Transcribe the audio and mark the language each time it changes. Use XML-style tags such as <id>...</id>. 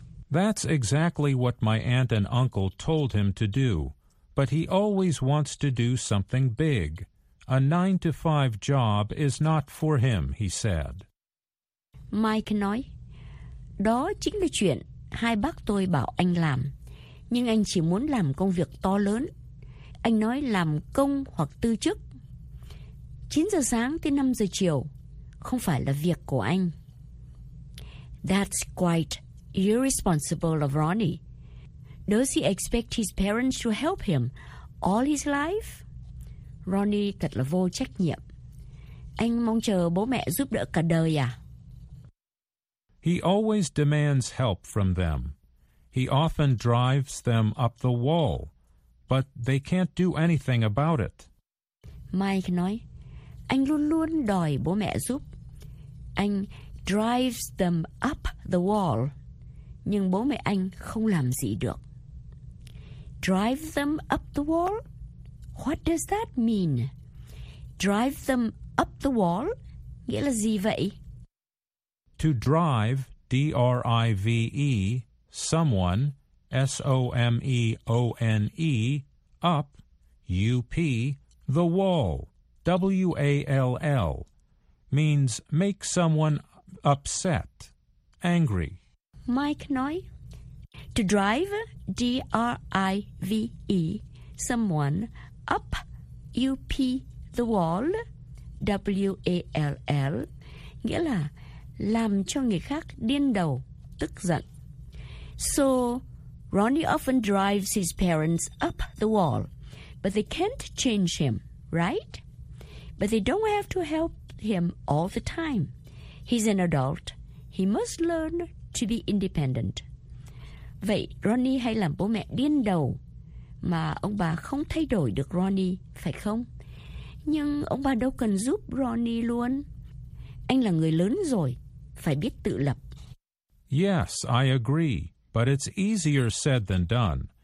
<en>That's exactly what my aunt and uncle told him to do, but he always wants to do something big. A 9-to-5 job is not for him, he said.</en> <vi>Mike nói, đó chính là chuyện hai bác tôi bảo anh làm, nhưng anh chỉ muốn làm công việc to lớn. Anh nói làm công hoặc tư chức. 9 giờ sáng tới 5 giờ chiều không phải là việc của anh.</vi> <en>That's quite irresponsible of Ronnie. Does he expect his parents to help him all his life?</en> <vi>Ronnie thật là vô trách nhiệm. Anh mong chờ bố mẹ giúp đỡ cả đời à?</vi> <en>He always demands help from them. He often drives them up the wall, but they can't do anything about it.</en> <vi>Mike nói, anh luôn luôn đòi bố mẹ giúp. Anh</vi> <en>drives them up the wall,</en> <vi>nhưng bố mẹ anh không làm gì được.</vi> <en>Drive them up the wall? What does that mean? Drive them up the wall?</en> <vi>Nghĩa là gì vậy?</vi> <en>To drive, D-R-I-V-E, someone, S-O-M-E-O-N-E, up, U-P, the wall, W-A-L-L. Means make someone upset, angry.</en> <vi>Mike nói,</vi> <en>to drive, D-R-I-V-E, someone, up, U-P, the wall, W-A-L-L,</en> <vi>nghĩa là làm cho người khác điên đầu, tức giận.</vi> <en>So, Ronnie often drives his parents up the wall, but they can't change him, right? But they don't have to help him all the time. He's an adult. He must learn to be independent.</en> <vi>Vậy Ronnie hay làm bố mẹ điên đầu mà ông bà không thay đổi được Ronnie, phải không? Nhưng ông bà đâu cần giúp Ronnie luôn. Anh là người lớn rồi, phải biết tự lập.</vi> <en>Yes, I agree, but it's easier said than done.</en>